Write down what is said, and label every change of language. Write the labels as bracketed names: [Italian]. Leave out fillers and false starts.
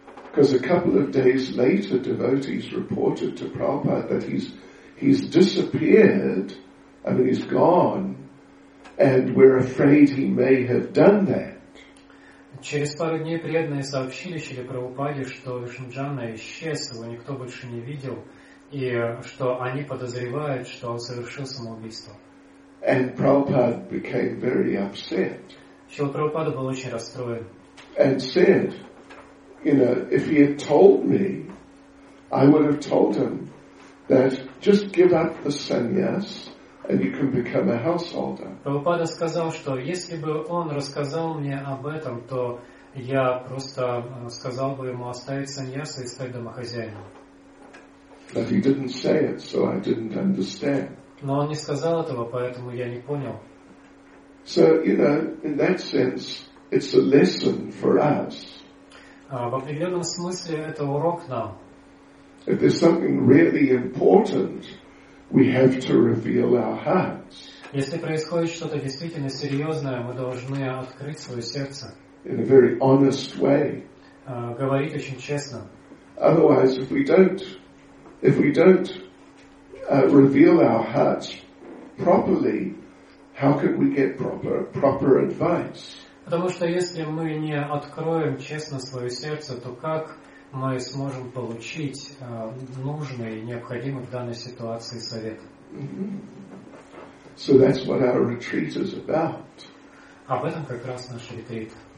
[English] Because a couple of days later, devotees reported to Prabhupada that he's disappeared, I mean, he's gone, and we're afraid he may have done that. [Russian] Через пару дней преданные сообщили Шри Прабхупаде, что Вишнуджана исчез, его никто больше не видел, и что они подозревают, что он совершил самоубийство. [English] And Prabhupada became very upset. [Russian] Шрила Прабхупада был очень расстроен. [English] And said, you know, if he had told me, I would have told him that just give up the sannyas and you can become a householder. [Russian] Прабхупада сказал, что если бы он рассказал мне об этом, то я просто сказал бы ему оставить саньяс и стать домохозяином. [English] But he didn't say it, so I didn't understand. [Russian] Но он не сказал этого, поэтому я не понял. [English] So, you know, in that sense, it's a lesson for us. [Russian] В определенном смысле это урок нам. [English] If there's something really important, we have to reveal our hearts. [Russian] Если происходит что-то действительно серьезное, мы должны открыть свое сердце. [English] In a very honest way. [Russian] Говорить очень честно. [English] Otherwise, if we don't reveal our hearts properly, how could we get proper advice? [Russian] Потому что если мы не откроем честно свое сердце, то как мы сможем получить нужный и необходимый в данной ситуации совет? [English] So that's what our retreat is about. [Russian] Об этом как раз наш ретрит.